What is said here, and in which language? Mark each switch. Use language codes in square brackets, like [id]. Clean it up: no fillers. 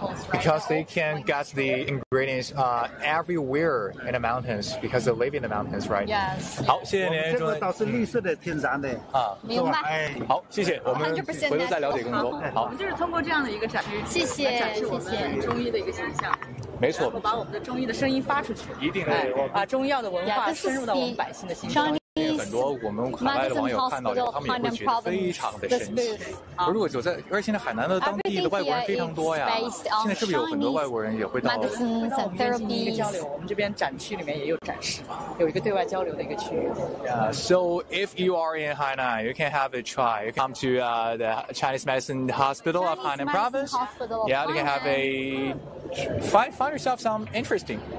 [en] Because they can get the ingredients everywhere in the mountains because they live in the mountains, right? Yes. [zh] 好，谢谢您，这个都是绿色的天然的啊，明白。好，谢谢，我们回头再了解更多。好，我们就是通过这样的一个展示，谢谢，展示我们中医的一个形象。没错，然后把我们的中医的声音发出去，一定来把中药的文化深入到我们百姓的心中。很多我们海外的网友看到以后，他们也会觉得非常的神奇。而如果走在，而且现在海南的当地的外国人非常多呀，现在是不是有很多外国人也会到？我们进行一个交流，我们这边展区里面也有展示，有一个对外交流的一个区域。 [en] So if you are in Hainan, you can have a try. You come to the Chinese Medicine Hospital of Hainan Province. Yeah, you can have a find yourself some interesting.